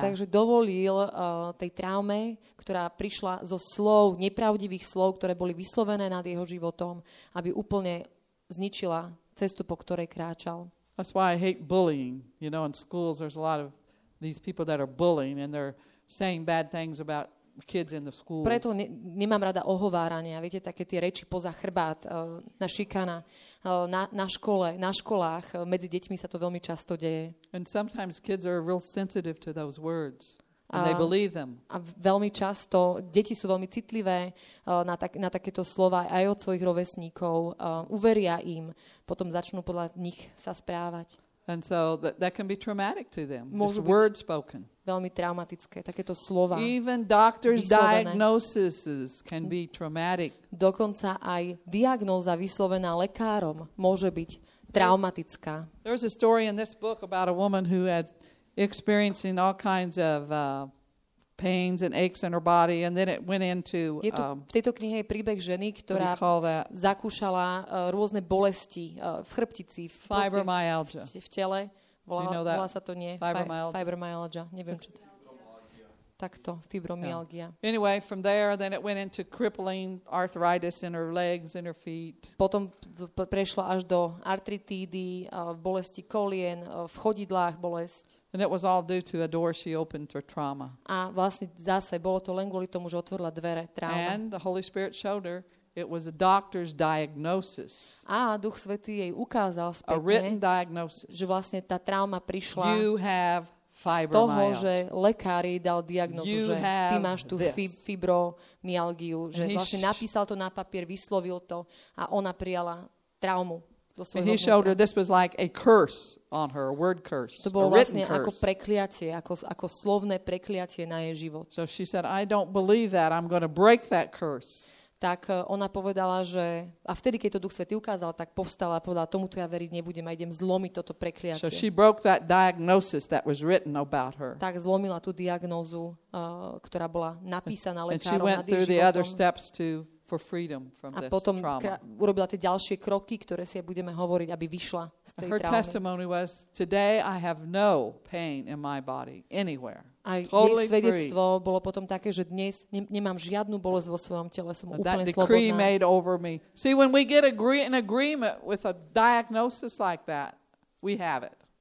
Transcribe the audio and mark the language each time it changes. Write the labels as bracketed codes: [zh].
[sk] Takže dovolil tej traume, ktorá prišla zo slov, nepravdivých slov, ktoré boli vyslovené nad jeho životom, aby úplne zničila cestu, po ktorej kráčal. [en] That's why I hate bullying. You know, in schools there's a lot of these people that are bullying and they're saying bad things about kids in the schools. [sk] Preto nemám rada ohovárania, viete, také tie reči poza chrbát, na šikana, na škole, na školách, medzi deťmi sa to veľmi často deje. [en] And sometimes kids are real sensitive to those words and they believe them. [sk] A veľmi často deti sú veľmi citlivé na takéto slová aj od svojich rovesníkov, uveria im, potom začnú podľa nich sa správať. [en] And so that can be traumatic to them. Just words spoken. [sk] Veľmi traumatické takéto slova. [en] Even doctors' diagnoses can be traumatic. [sk] Dokonca aj diagnóza vyslovená lekárom môže byť traumatická. [en] There's a story in this book about a woman who had experiencing all kinds of pains and aches in her body and then it went into [sk] V tejto knihe je príbeh ženy, ktorá zakúšala rôzne bolesti v chrbtici, [en] fibromyalgia. [sk] V tele. Volá sa to nie fibromyalgia. Neviem čo to. Takto fibromyalgia. [en] Yeah. Anyway, from there then it went into crippling arthritis in her legs and her feet. [sk] Potom prešlo až do artritídy, bolesti kolien, v chodidlách bolesť. [en] And it was all due to a door she opened for trauma. [sk] A vlastne zase bolo to len kvôli tomu, že otvorila dvere trauma. [en] And the Holy Spirit showed her it was a doctor's diagnosis. [sk] A Duch Svätý jej ukázal spätne, [en] a written diagnosis. [sk] Že vlastne tá trauma prišla. [en] You have [sk] z toho, že lekár jej dal diagnózu, že ty máš tú fibromyalgiu, že vlastne napísal to na papier, vyslovil to a ona prijala traumu do svojho vnútra. [en] He showed her this was like a curse on her, a word curse. [sk] To bolo vlastne ako prekliatie, ako slovné prekliatie na jej život. [en] So she said, I don't believe that, I'm going to break that curse. [sk] Tak ona povedala, že a vtedy, keď to Duch Svätý ukázal, tak povstala a povedala, tomuto ja veriť nebudem a idem zlomiť toto prekliatie. [en] So she broke that diagnosis that was written about her. [sk] Tak zlomila tú diagnózu, ktorá bola napísaná lekárom nad jej životom. [en] And she went through the other steps to for freedom from this [sk] trauma. A potom urobila tie ďalšie kroky, ktoré si budeme hovoriť, aby vyšla z tej traumy. [en] Her testimony was, today I have no pain in my body anywhere. [sk] A jej svedectvo bolo potom také, že dnes nemám žiadnu bolesť vo svojom tele, som úplne slobodná. [en] That decree made over me. See, when we get an agreement with a diagnosis like that, we have it.